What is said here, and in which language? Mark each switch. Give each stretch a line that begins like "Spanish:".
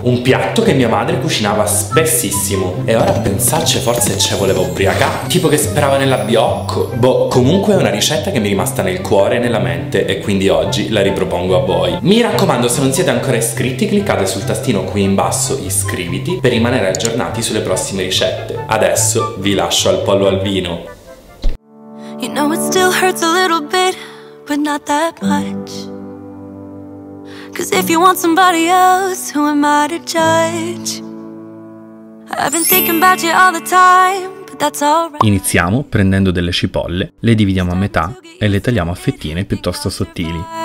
Italian: Un piatto che mia madre cucinava spessissimo. E ora a pensarci forse ce voleva ubriacare. Tipo che sperava nell'abbiocco. Boh, comunque è una ricetta che mi è rimasta nel cuore e nella mente. E quindi oggi la ripropongo a voi. Mi raccomando, se non siete ancora iscritti, cliccate sul tastino qui in basso iscriviti per rimanere aggiornati sulle prossime ricette. Adesso vi lascio al pollo al vino.
English: You know it still hurts a little bit, but not that much. 'Cause if you want somebody else, who am I to judge? I've been thinking about you all the time, but that's all right.
Italian: Iniziamo prendendo delle cipolle, le dividiamo a metà e le tagliamo a fettine piuttosto sottili.